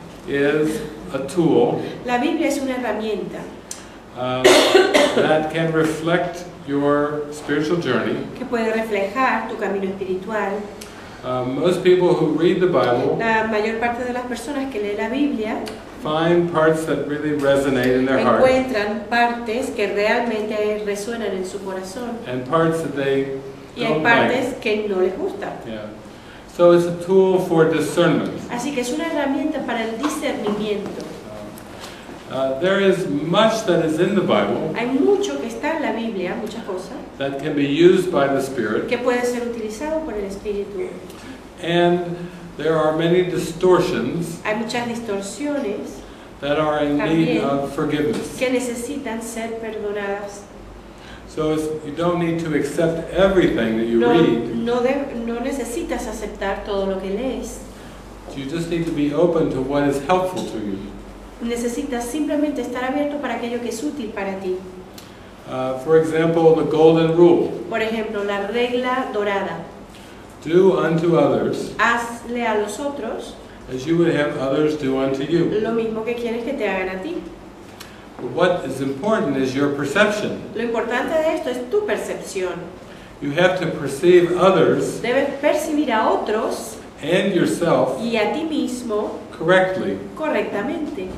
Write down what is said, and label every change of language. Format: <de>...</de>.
<en>is a tool.</en> <es>La Biblia es una herramienta.</es> <en>That can reflect your spiritual journey.</en> <es>Que puede reflejar tu camino espiritual.</es> <en>Most people who read the Bible.</en> <es>La mayor parte de las personas que lee la Biblia.</es> <en>Find parts that really resonate in their heart.</en> <es>Encuentran partes que realmente resuenan en su corazón.</es> <en>And parts that they</en> <es>y hay partes</es> <en>like.</en> <es>Que no les gustan.</es> <en>Yeah. So it's a tool for discernment.</en> <es>Así que es una herramienta para el discernimiento.</es> <en>There is much that is in the Bible.</en> <es>Hay mucho que está en la Biblia, muchas cosas.</es> <en>That can be used by the Spirit.</en> <es>Que puede ser utilizado por el Espíritu.</es> <en>And there are many distortions.</en> <es>Hay muchas distorsiones.</es> <en>That are in need of forgiveness.</en> <es>Que necesitan ser perdonadas.</es> <en>So you don't need to accept everything that you</en> <es>no,</es> <en>read.</en> <es>No necesitas aceptar todo lo que lees.</es> <en>You just need to be open to what is helpful to you.</en> <es>Necesitas simplemente estar abierto para aquello que es útil para ti.</es> <en>For example, the golden rule.</en> <es>Por ejemplo, la regla dorada.</es> <en>Do unto others.</en> <es>Hazle a los otros.</es> <en>As you would have others do unto you.</en> <es>Lo mismo que quieres que te hagan a ti.</es> <en>What is important is your perception.</en> <es>Lo importante de esto es tu percepción.</es> <en>You have to perceive others.</en> <es>Debes percibir a otros.</es> <en>And yourself.</en> <es>Y a ti mismo.</es> <en>Correctly.</en> <es>Correctamente.</es>